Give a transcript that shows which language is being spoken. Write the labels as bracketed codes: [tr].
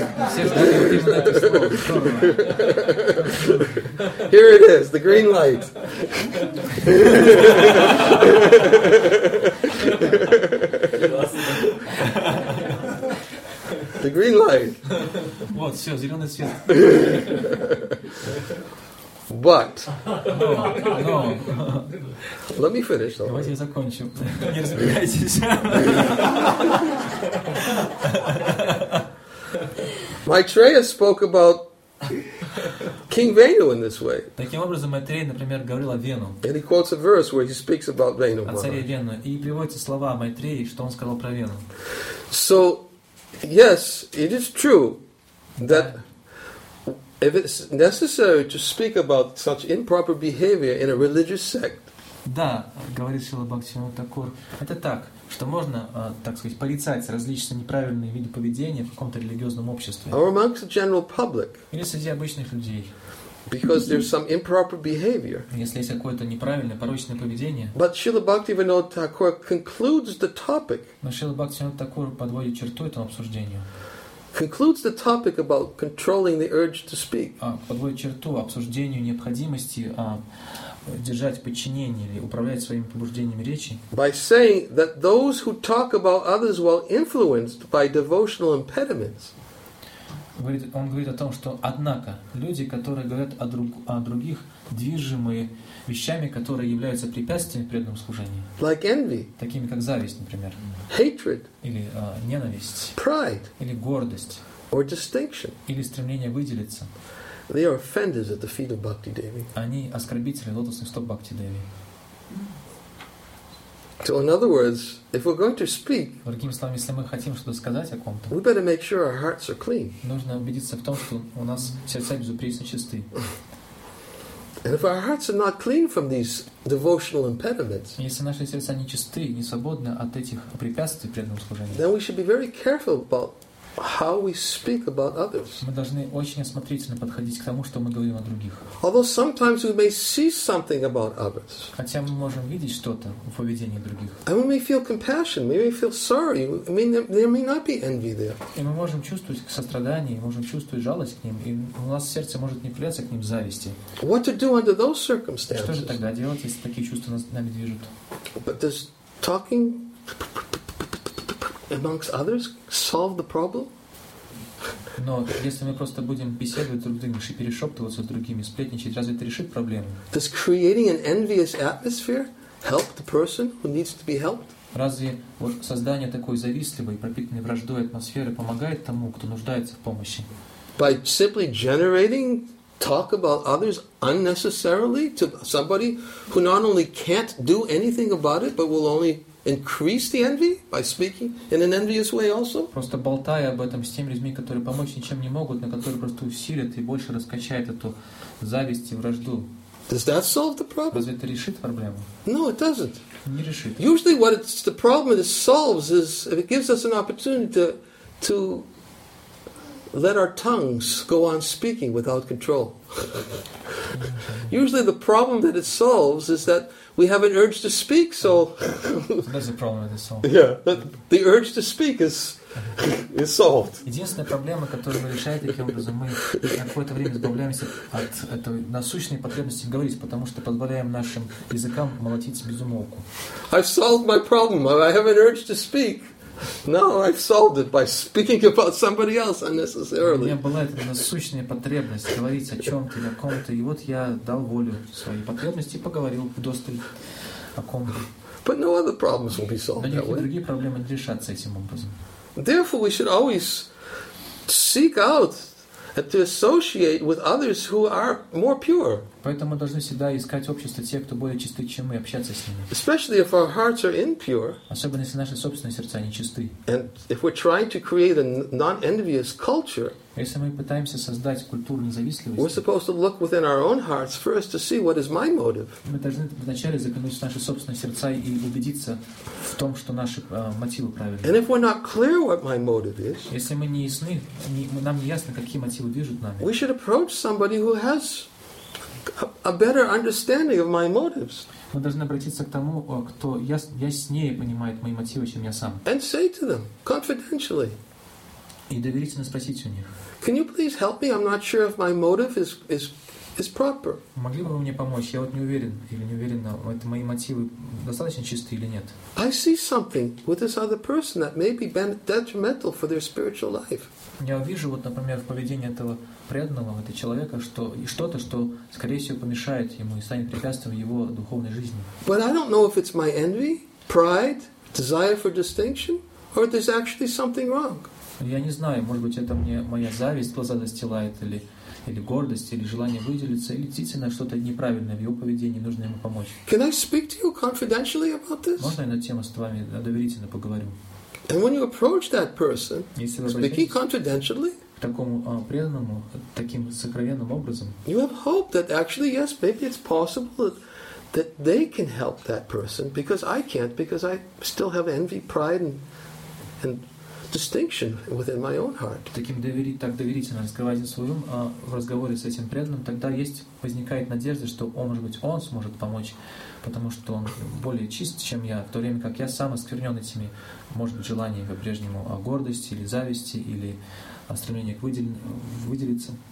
[ru] Все ждали именно этого слова. [en] Here it is, the green light. The green light. [ru] Вот, все, зеленый свет. [en] But. No. Let me finish. [ru] Давайте я закончу. Не разбегайтесь. [en] Maitreya spoke about King Venu in this way. [ru] Таким образом, Майтрея, например, говорил о Вену. [en] And he quotes a verse where he speaks about Venu. [ru] О царе Вену. И приводятся слова Майтреи, что он сказал про Вену. [en] So, yes, it is true that if it's necessary to speak about such improper behavior in a religious sect. [ru] Да, говорит Шрила Бхактивинода Тхакур. Это так, что можно, так сказать, порицать различные неправильные виды поведения в каком-то религиозном обществе. [en] Or amongst the general public. [ru] Или среди обычных людей. [en] Because there's some improper behavior. [ru] Если есть какое-то неправильное, порочное поведение. [en] But Srila Bhaktivinoda Thakur concludes the topic. [ru] Но Шрила Бхактивинода Тхакур подводит черту этому обсуждению. [en] Concludes the topic about controlling the urge to speak. [ru] Подводит черту обсуждению необходимости держать подчинение или управлять своими побуждениями речи. [en] By saying that those who talk about others while influenced by devotional impediments. [ru] Он говорит о том, что однако люди, которые говорят о других, движимые вещами, которые являются препятствиями преданному служению, [en] like envy, [ru] такими как зависть, например, [en] hatred, [ru] или ненависть, [en] pride, [ru] или гордость, [en] or distinction, [ru] или стремление выделиться, [en] they are offenders at the feet of Bhakti Devi. [ru] Они оскорбители лотосных стоп Бхакти Деви. [en] So in other words, if we're going to speak, [ru] другими словами, если мы хотим что-то сказать о ком-то, [en] we better make sure our hearts are clean. [ru] Нужно убедиться в том, что у нас сердца безупречно чисты. [en] And if our hearts are not clean from these devotional impediments, [ru] если наши сердца не чисты, не свободны от этих препятствий при этом служении, [en] then we should be very careful about how we speak about others. [ru] Мы должны очень осмотрительно подходить к тому, что мы говорим о других. [en] Although sometimes we may see something about others. [ru] Хотя мы можем видеть что-то в поведении других. [en] And we may feel compassion, we may feel sorry. I mean, there may not be envy there. [ru] И мы можем чувствовать сострадание, можем чувствовать жалость к ним, и у нас сердце может не приняться к ним зависти. [en] What to do under those circumstances? [ru] Что же тогда делать, если такие чувства нами движут? [en] But does talking amongst others solve the problem? [ru] Но если мы просто будем беседовать друг с другом, перешептываться с другими, сплетничать, разве это решит проблему? [en] Does creating an envious atmosphere help the person who needs to be helped? [ru] Разве создание такой завистливой, пропитанной враждой атмосферы помогает тому, кто нуждается в помощи? [en] By simply generating talk about others unnecessarily to somebody who not only can't do anything about it, but will only increase the envy by speaking in an envious way also? [ru] Просто болтая об этом с теми людьми, которые помочь ничем не могут, но которые просто усилят и больше раскачают эту зависть и вражду. [en] Does that solve the problem? [ru] Разве это решит проблему? [en] No, it doesn't. [ru] Не решит. [en] Usually what it's the problem it solves is if it gives us an opportunity to let our tongues go on speaking without control. Usually the problem that it solves is that we have an urge to speak, so there's a problem with this song. Yeah, but the urge to speak is solved. [ru] Единственная проблема, которую мы решаем таким образом, мы на какое-то время избавляемся от этой насущной потребности говорить, потому что позволяем нашим языкам молотить без умолку. [en] I've solved my problem. I have an urge to speak. No, I've solved it by speaking about somebody else unnecessarily. [ru] У меня была эта насущная потребность говорить о чем-то или о ком-то, и вот я дал волю своей потребности и поговорил вдосталь о ком-то. [en] But no other problems will be solved that way. [ru] Но никакие другие проблемы не решатся этим образом. [en] Therefore, we should always seek out and to associate with others who are more pure. [ru] Поэтому мы должны всегда искать общество тех, кто более чисты, чем мы, общаться с ними. [en] Especially if our hearts are impure. [ru] Особенно если наши собственные сердца нечисты. [en] And if we're trying to create a non-envious culture. [ru] Если мы пытаемся создать культуру независтливости. [en] We're supposed to look within our own hearts first to see what is my motive. [ru] Мы должны вначале заглянуть в наши собственные сердца и убедиться в том, что наши мотивы правильные. [en] And if we're not clear what my motive is. [ru] Если мы не ясны, нам не ясно, какие мотивы движут нами. [en] We should approach somebody who has a better understanding of my motives. [ru] Мы должны обратиться к тому, кто яснее понимает мои мотивы, чем я сам. [en] And say to them confidentially. [ru] И доверительно спросить у них. [en] Can you please help me? I'm not sure if my motive is proper. [ru] Могли бы вы мне помочь? Я вот не уверен или не уверена, это мои мотивы достаточно чисты или нет. [en] I see something with this other person that may be detrimental for their spiritual life. [ru] Я вижу, вот, например, в поведении этого преданного, этого человека, что что-то, что, скорее всего, помешает ему и станет препятствием его духовной жизни. [en] But I don't know if it's my envy, pride, desire for distinction, or there's actually something wrong. [ru] Я не знаю, может быть, это мне моя зависть глаза застилает, или гордость, или желание выделиться, или действительно что-то неправильное в его поведении, нужно ему помочь. [en] Can I speak to you confidentially about this? [ru] Можно я на тему с вами доверительно поговорю? [en] And when you approach that person, speaking confidentially, [ru] такому преданному, таким сокровенным образом, [en] you have hope that actually, yes, maybe it's possible that they can help that person because I can't, because I still have envy, pride, and distinction within my own heart. [ru] Таким так доверительно раскрывать свой ум в разговоре с этим преданным, тогда есть возникает надежда, что он, может быть, он сможет помочь, потому что он более чист, чем я, в то время как я сам осквернен этими, может быть, желаниями по-прежнему гордости или зависти или стремление к выделиться.